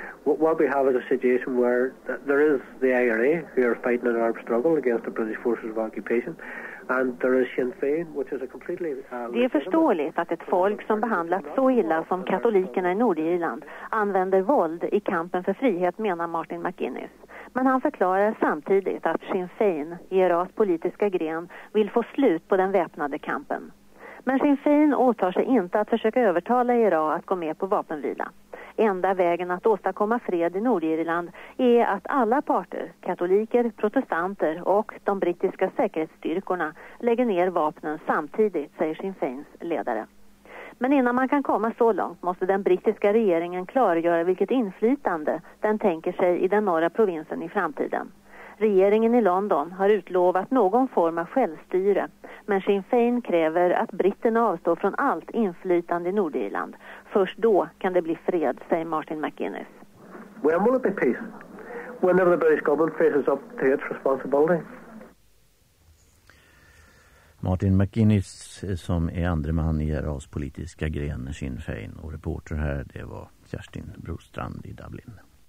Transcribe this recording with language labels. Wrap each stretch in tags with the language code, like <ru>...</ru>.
<en>What we have is a situation where there is the IRA who are fighting an armed struggle against the British forces of occupation, and there is Sinn Féin, which is a completely.</en> <sv>Det är förståeligt att ett folk som behandlats så illa som katolikerna i Nordirland använder våld i kampen för frihet, menar Martin McGuinness. Men han förklarar samtidigt att Sinn Féin, IRAs politiska gren, vill få slut på den väpnade kampen. Men Sinn Féin åtar sig inte att försöka övertala IRA att gå med på vapenvila. Enda vägen att åstadkomma fred i Nordirland är att alla parter, katoliker, protestanter och de brittiska säkerhetsstyrkorna, lägger ner vapnen samtidigt, säger Sinn Féins ledare. Men innan man kan komma så långt måste den brittiska regeringen klargöra vilket inflytande den tänker sig i den norra provinsen i framtiden. Regeringen i London har utlovat någon form av självstyre, men Sinn Féin kräver att britterna avstår från allt inflytande i Nordirland. Först då kan det bli fred, säger Martin McGuinness.</sv> <en>When will it be peace? Whenever the British government faces up to its responsibility.</en> <sv>Martin McGuinness, som är andre man i IRAs politiska gren, Sinn Féin, och reporter här, det var Kerstin Brostrand i Dublin.</sv>